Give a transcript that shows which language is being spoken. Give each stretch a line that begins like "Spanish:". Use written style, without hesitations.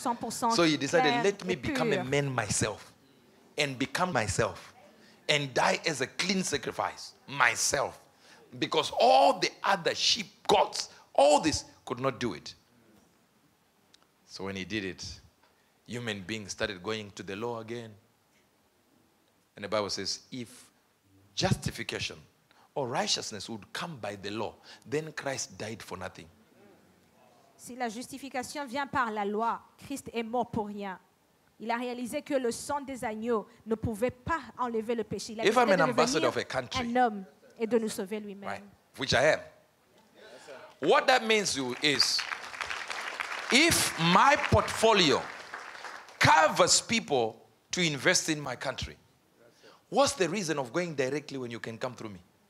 English: So he decided, let me become a man myself and become myself and die as a clean sacrifice myself, because all the other sheep, goats, all this could not do it. So when he did it, human beings started going to the law again. And the Bible says, if justification or righteousness would come by the law, then Christ died for nothing.
French: Si la justification vient par la loi, Christ est mort pour rien. Il a réalisé que le sang des agneaux ne pouvait pas enlever le péché.
English: If I'm an ambassador of a country,
French: un homme et de nous sauver lui-même.
English: Right, which I am. What that means you is, if my portfolio covers people to invest in my country, what's the reason of going directly when you can come through me?